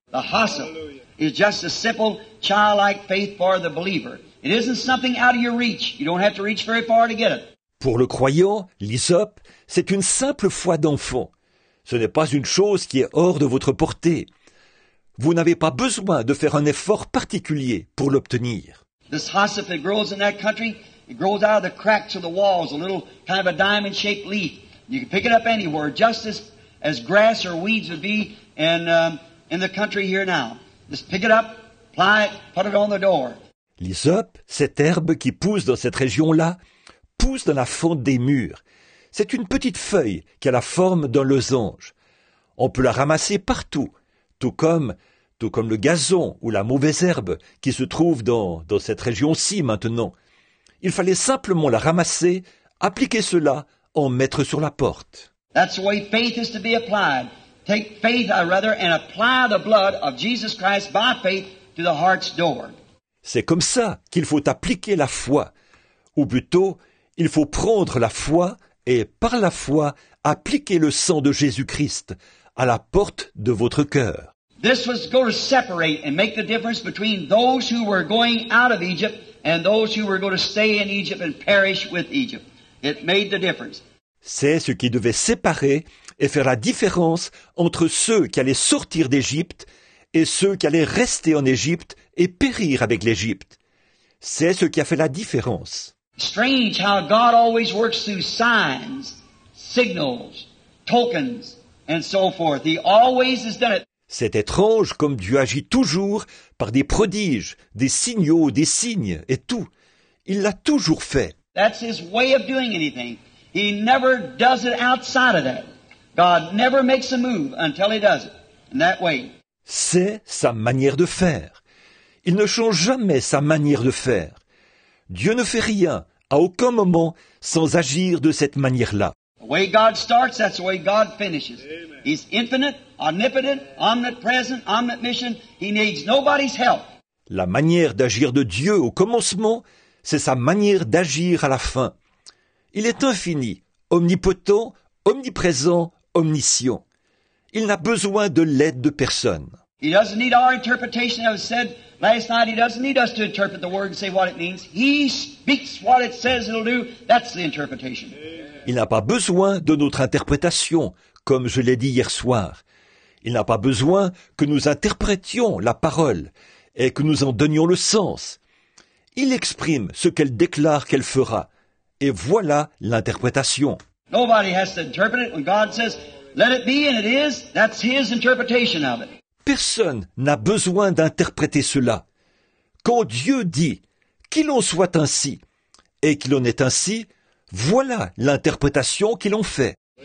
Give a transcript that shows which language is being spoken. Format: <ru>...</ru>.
<en>The hyssop is just a simple, childlike faith for the believer. It isn't something out of your reach. You don't have to reach very far to get it.</en> <fr>Pour le croyant, l'hyssope, c'est une simple foi d'enfant. Ce n'est pas une chose qui est hors de votre portée. Vous n'avez pas besoin de faire un effort particulier pour l'obtenir.</fr> <en>This hyssop that grows in that country, it grows out of the cracks of the walls, a little kind of a diamond-shaped leaf. You can pick it up anywhere, just as grass or weeds would be in the country here now. Just pick it up, apply it, put it on the door.</en> <fr>L'hyssope, cette herbe qui pousse dans cette région-là, pousse dans la fonte des murs. C'est une petite feuille qui a la forme d'un losange. On peut la ramasser partout, tout comme le gazon ou la mauvaise herbe qui se trouve dans cette région-ci maintenant. Il fallait simplement la ramasser, appliquer cela, en mettre sur la porte.</fr> <en>That's the way faith is to be applied. Take faith, I rather, and apply the blood of Jesus Christ by faith to the heart's door.</en> <fr>C'est comme ça qu'il faut appliquer la foi. Ou plutôt, il faut prendre la foi et, par la foi, appliquer le sang de Jésus-Christ à la porte de votre cœur.</fr> <en>This was going to separate and make the difference between those who were going out of Egypt and those who were going to stay in Egypt and perish with Egypt. It made the difference.</en> <fr>C'est ce qui devait séparer et faire la différence entre ceux qui allaient sortir d'Égypte et ceux qui allaient rester en Égypte et périr avec l'Égypte. C'est ce qui a fait la différence.</fr> <en>Strange how God always works through signs, signals, tokens, and so forth. He always has done it.</en> <fr>C'est étrange comme Dieu agit toujours par des prodiges, des signaux, des signes et tout. Il l'a toujours fait.</fr> <en>That's his way of doing anything. He never does it outside of that. God never makes a move until he does it in that way.</en> <fr>C'est sa manière de faire. Il ne change jamais sa manière de faire. Dieu ne fait rien à aucun moment sans agir de cette manière-là.</fr> <en>The way God starts, that's the way God finishes. Amen. He's infinite, omnipotent, omnipresent, omniscient. He needs nobody's help.</en> <fr>La manière d'agir de Dieu au commencement, c'est sa manière d'agir à la fin. Il est infini, omnipotent, omniprésent, omniscient. Il n'a besoin de l'aide de personne.</fr> <en>He doesn't need our interpretation. I said last night, he doesn't need us to interpret the word and say what it means. He speaks what it says it'll do. That's the interpretation.</en> <fr>Il n'a pas besoin de notre interprétation, comme je l'ai dit hier soir. Il n'a pas besoin que nous interprétions la parole et que nous en donnions le sens. Il exprime ce qu'elle déclare qu'elle fera. Et voilà l'interprétation.</fr> <en>Nobody has to interpret it when God says, let it be and it is. That's his interpretation of it.</en> <fr>Personne n'a besoin d'interpréter cela. Quand Dieu dit qu'il en soit ainsi et qu'il en est ainsi, voilà l'interprétation qu'il en fait.</fr>